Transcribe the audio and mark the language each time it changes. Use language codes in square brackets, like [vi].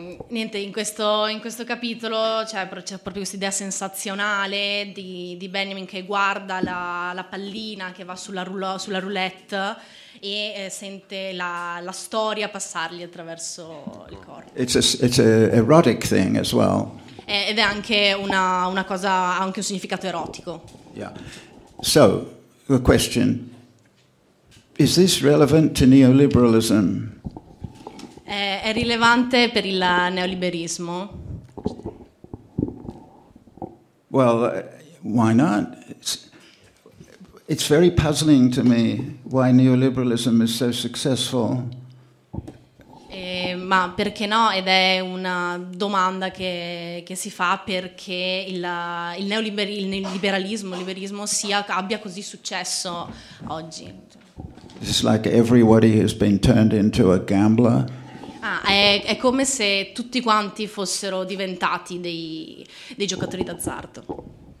[it] Niente, in questo capitolo c'è proprio questa idea sensazionale di Benjamin che guarda la pallina che va sulla roulette e sente la storia passargli attraverso il corpo. [en] It's a erotic thing as well. [it] Ed è anche una cosa, ha anche un significato erotico. [en] Yeah. So, the question, is this relevant to neoliberalism? [it] È rilevante per il neoliberismo? [en] Well, why not? It's very puzzling to me why neoliberalism is so successful. [it] Ma perché no? Ed è una domanda che si fa perché il neoliberismo abbia così successo oggi. [en] It's like everybody has been turned into a gambler. [it] È come se tutti quanti fossero diventati dei giocatori d'azzardo.